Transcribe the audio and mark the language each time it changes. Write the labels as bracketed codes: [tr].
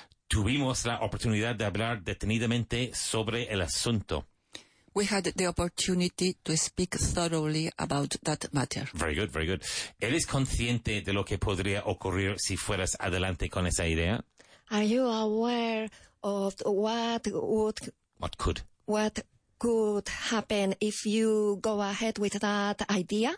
[es] Tuvimos la oportunidad de hablar detenidamente sobre el asunto. [en] We had the opportunity to speak thoroughly about that matter. Very good, very good. [es] ¿Eres consciente de lo que podría ocurrir si fueras adelante con esa idea? [en] Are you aware of what would... What could. What could happen if you go ahead with that idea?